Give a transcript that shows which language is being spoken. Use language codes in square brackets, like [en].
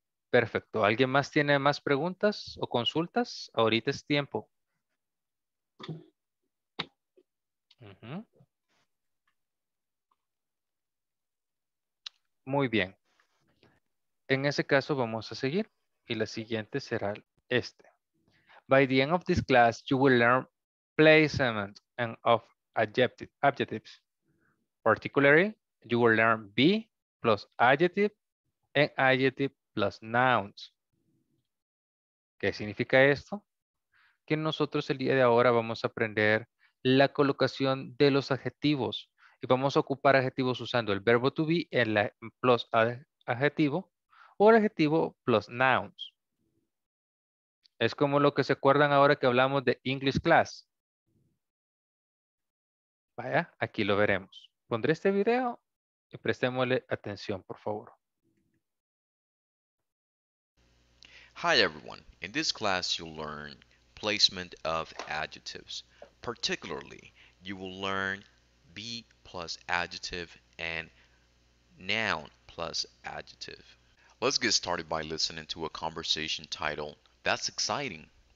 [es] Perfecto. ¿Alguien más tiene más preguntas o consultas? Ahorita es tiempo. Muy bien. En ese caso vamos a seguir y la siguiente será este. [en] By the end of this class, you will learn placement and of adjectives. Particularly, you will learn be plus adjective and adjective plus nouns. [es] ¿Qué significa esto? Que nosotros el día de ahora vamos a aprender la colocación de los adjetivos y vamos a ocupar adjetivos usando el verbo to be en la plus adjetivo o el adjetivo plus nouns. Es como lo que se acuerdan ahora que hablamos de English class. Vaya, aquí lo veremos. Pondré este video y prestémosle atención, por favor. [en] Hi everyone. In this class you'll learn placement of adjectives. Particularly, you will learn be plus adjective and noun plus adjective. Let's get started by listening to a conversation titled, That's Exciting.